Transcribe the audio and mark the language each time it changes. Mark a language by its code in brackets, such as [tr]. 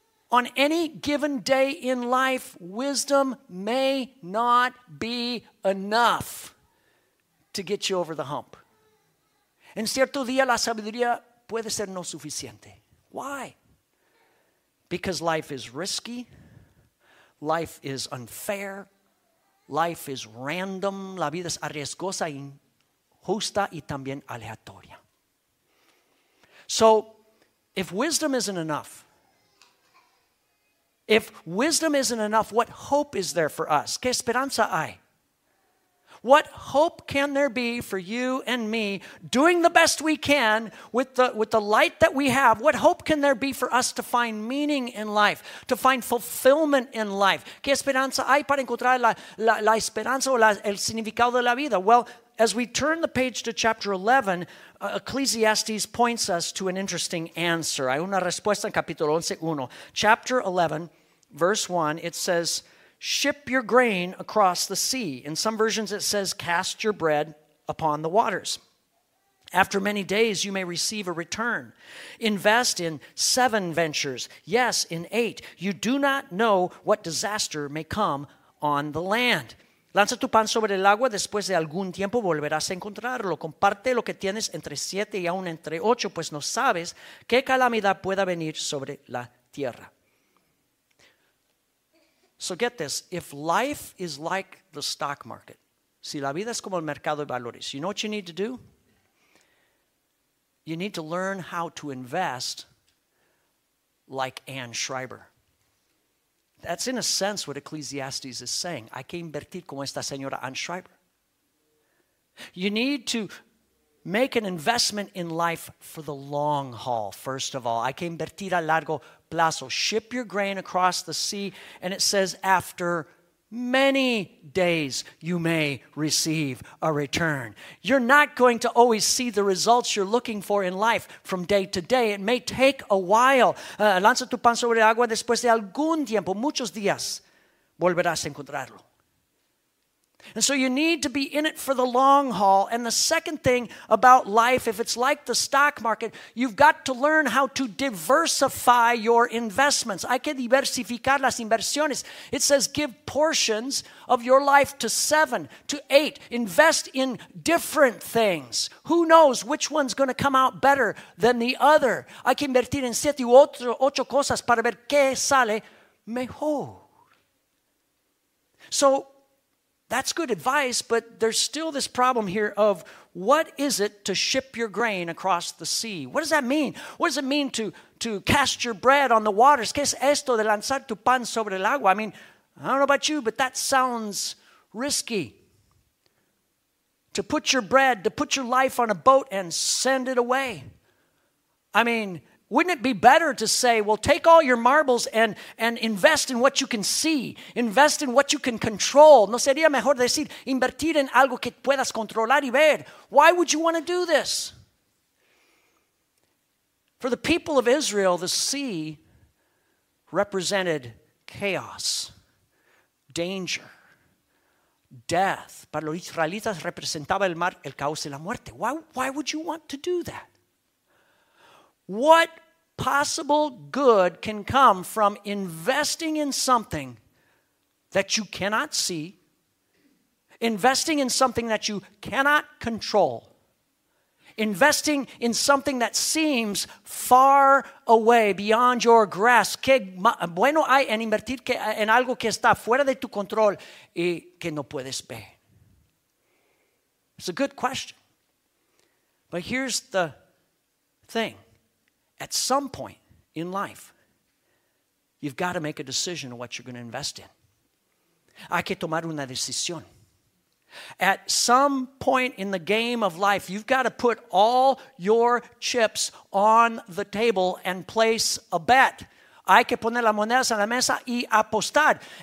[en] On any given day in life, wisdom may not be enough to get you over the hump. [es] En cierto día, la sabiduría puede ser no suficiente. [en] Why? Because life is risky. Life is unfair. Life is random. [es] La vida es arriesgosa y justa y también aleatoria. [en] So, if wisdom isn't enough, what hope is there for us? [es] ¿Qué esperanza hay? [en] What hope can there be for you and me doing the best we can with the light that we have? What hope can there be for us to find meaning in life, to find fulfillment in life? [es] ¿Qué esperanza hay para encontrar la esperanza o el significado de la vida? [en] Well, as we turn the page to chapter 11, Ecclesiastes points us to an interesting answer. [es] Hay una respuesta en capítulo 11, 1. [en] Chapter 11, verse 1, it says, ship your grain across the sea. In some versions it says, cast your bread upon the waters. After many days, you may receive a return. Invest in 7 ventures. Yes, in 8. You do not know what disaster may come on the land. [es] Lanza tu pan sobre el agua, después de algún tiempo volverás a encontrarlo. Comparte lo que tienes entre 7 y aún entre 8, pues no sabes qué calamidad pueda venir sobre la tierra. [en] So get this, if life is like the stock market, [es] si la vida es como el mercado de valores, [en] you know what you need to do? You need to learn how to invest like Ann Schreiber. That's in a sense what Ecclesiastes is saying. [es] Hay que invertir como esta señora Ann Schreiber. [en] You need to make an investment in life for the long haul, first of all. [es] Hay que invertir a largo plazo. [en] Ship your grain across the sea, and it says after many days you may receive a return. You're not going to always see the results you're looking for in life from day to day. It may take a while. [es] Lanza tu pan sobre agua después de algún tiempo, muchos días, volverás a encontrarlo. [en] And so you need to be in it for the long haul. And the second thing about life, if it's like the stock market, you've got to learn how to diversify your investments. [es] Hay que diversificar las inversiones. [en] It says give portions of your life to 7 to 8. Invest in different things. Who knows which one's going to come out better than the other? [es] Hay que invertir en 7 u 8 cosas para ver qué sale mejor. [en] So that's good advice, but there's still this problem here of what is it to ship your grain across the sea? What does that mean? What does it mean to cast your bread on the waters? [es] ¿Qué es esto de lanzar tu pan sobre el agua? [en] I mean, I don't know about you, but that sounds risky. To put your bread, to put your life on a boat and send it away. I mean, wouldn't it be better to say, well, take all your marbles and invest in what you can see. Invest in what you can control. [es] ¿No sería mejor decir invertir en algo que puedas controlar y ver? [en] Why would you want to do this? For the people of Israel, the sea represented chaos, danger, death. [es] Para los israelitas representaba el mar el caos y la muerte. [en] Why would you want to do that? What possible good can come from investing in something that you cannot see, investing in something that you cannot control, investing in something that seems far away, beyond your grasp? [es] ¿Qué bueno hay en invertir en algo que está fuera de tu control y que no puedes ver? [en] It's a good question. But here's the thing. At some point in life, you've got to make a decision on what you're going to invest in. [es] Hay que tomar una decisión. [en] At some point in the game of life, you've got to put all your chips on the table and place a bet. [es] Hay que poner las monedas en la mesa y apostar.